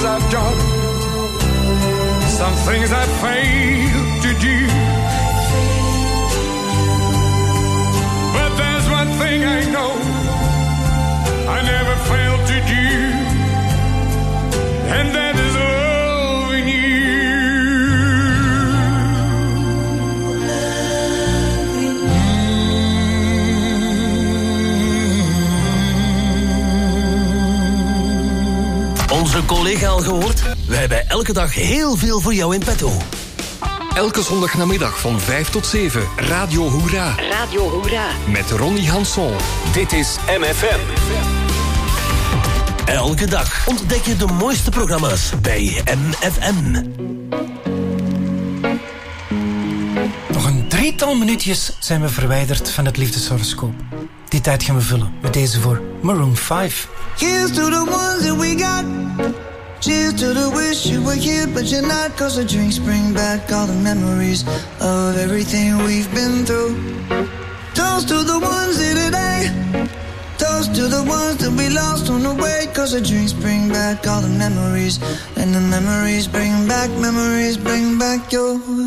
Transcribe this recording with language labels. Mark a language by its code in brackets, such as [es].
[en] Some things I failed to do, but there's one thing I know I never failed to do, and that is loving you. [nl] Onze collega al gehoord? We hebben elke dag heel veel voor jou in petto. Elke zondagnamiddag van 5 tot 7, Radio Hoera. Radio Hoera. Met Ronnie Hanson. Dit is MFM. Elke dag ontdek je de mooiste programma's bij MFM. Nog een drietal minuutjes zijn we verwijderd van het liefdeshoroscoop. Die tijd gaan we vullen met deze voor Maroon 5. [en] Here's to the ones that we got. Cheers to the wish you were here, but you're not. 'Cause the drinks bring back all the memories of everything we've been through. Toast to the ones here today. Toast to the ones that we lost on the way. 'Cause the drinks bring back all the memories, and the memories bring back your.